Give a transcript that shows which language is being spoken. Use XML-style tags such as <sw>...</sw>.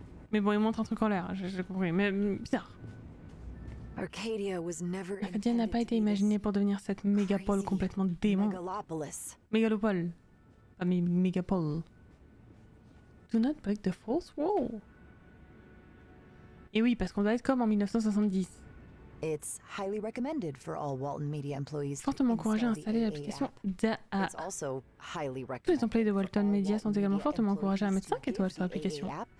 <fr>Mais bon, il montre un truc en l'air. J'ai compris. Mais bizarre. Arcadia n'a pas été imaginée pour devenir cette mégapole complètement démon. Mégalopole. Pas mégapole.</fr> <en>Do not break the fourth wall.</en> <fr>Et oui, parce qu'on doit être comme en 1970.</fr> <en>It's highly recommended for all Walton Media employees.</en> <fr>Fortement encouragé à installer l'application DAA.</fr> <en>It's also highly recommended.</en> <fr>Tous les employés de Walton Media sont également fortement encouragés à mettre 5 étoiles sur l'application.</fr>